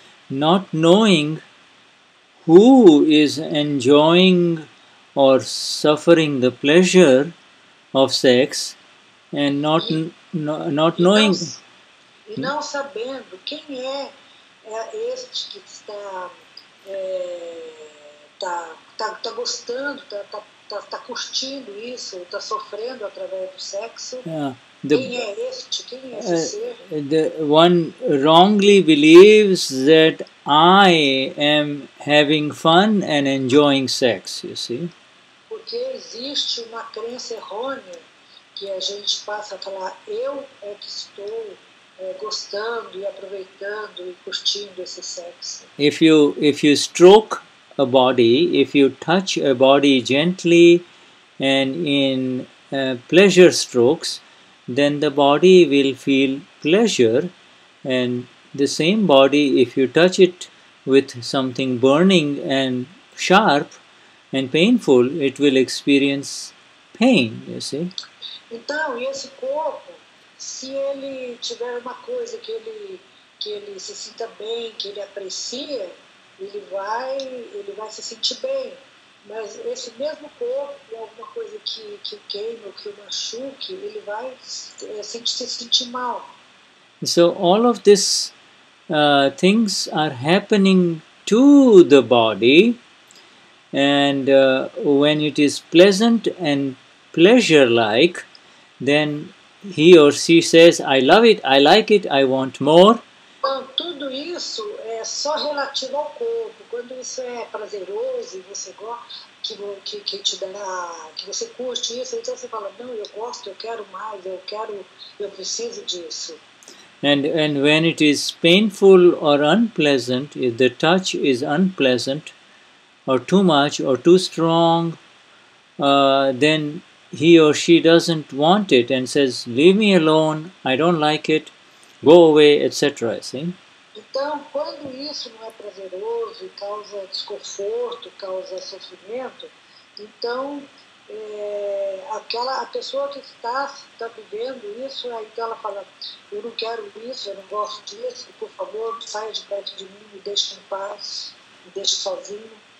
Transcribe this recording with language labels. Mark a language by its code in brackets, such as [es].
[en] Not knowing who is enjoying or suffering the pleasure of sex, and not knowing. [pt] E não sabendo quem é este que está gostando, está tá curtindo isso, tá sofrendo através do sexo. [en] Yeah. [pt] Quem é esse ser? [en] The one wrongly believes that I am having fun and enjoying sex, you see. [pt] Porque existe uma crença errônea que a gente passa a falar eu é que estou gostando e aproveitando e curtindo esse sexo. [en] If you stroke a body, if you touch a body gently and in pleasure strokes, then the body will feel pleasure, and the same body, if you touch it with something burning and sharp and painful, it will experience pain, you see. [pt] Então, esse corpo, se ele tiver uma coisa que ele se sinta bem, que ele aprecia, ele vai se sentir bem. Mas esse mesmo corpo, alguma coisa que queima ou que o machuque, ele vai se sentir mal. [en] So all of this things are happening to the body, and when it is pleasant and pleasure-like, then he or she says, I love it, I like it, I want more. [pt] Bom, tudo isso é só relativo ao corpo. Quando isso é prazeroso e você gosta, que te dá, que você curte isso, então você fala, não, eu gosto, eu quero mais, eu quero, eu preciso disso. [en] And when it is painful or unpleasant, if the touch is unpleasant or too much or too strong, then he or she doesn't want it and says, leave me alone, I don't like it, go away, etc. [pt] Então, quando isso não é prazeroso e causa desconforto, causa sofrimento, então a pessoa que está vivendo isso, então ela fala, eu não quero isso, eu não gosto disso, por favor, saia de perto de mim, me deixe em paz, me deixe sozinho.